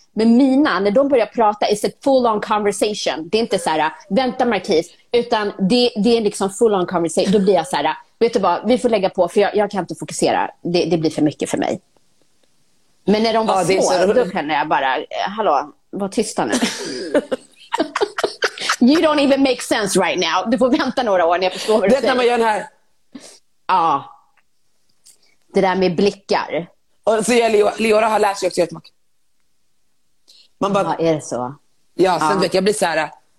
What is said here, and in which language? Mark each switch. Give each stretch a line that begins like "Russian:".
Swedish: Men mina, när de börjar prata,
English: is it full on conversation.
Swedish: Det är inte så här, vänta Marquise. Utan det är liksom
English: full on conversation.
Swedish: Då blir jag så här, vet du vad, vi får lägga på. För jag kan inte fokusera. Det blir för mycket för mig. Men när de var små, då känner jag bara, hallå, var tysta nu.
English: You don't even make sense right now.
Swedish: Du får vänta några år när jag förstår vad du säger. Vet man gör här? Ja. Det där med blickar. Och så gör Leora har lärt sig också jättemycket. Man bara... Ja, är det så? Ja, sen vet jag, blir så här...